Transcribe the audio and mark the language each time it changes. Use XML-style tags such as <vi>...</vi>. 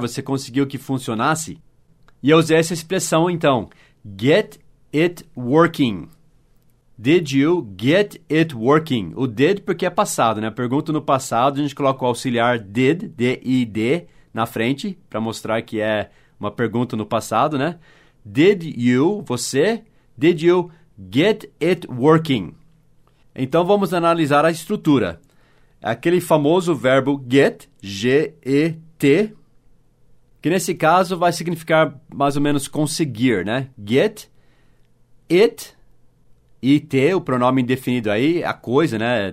<pt>Você conseguiu que funcionasse? E eu usei essa expressão então:</pt> <en>get it working. Did you get it working?</en> <pt>O did porque é passado, né? Pergunto no passado, a gente coloca o auxiliar did, D-I-D, na frente, para mostrar que é uma pergunta no passado, né?</pt> <en>Did you, você, did you get it working?</en> <pt>Então, vamos analisar a estrutura. Aquele famoso verbo get, G-E-T, que nesse caso vai significar mais ou menos conseguir, né? Get it, I-T, o pronome indefinido aí, a coisa, né?</pt>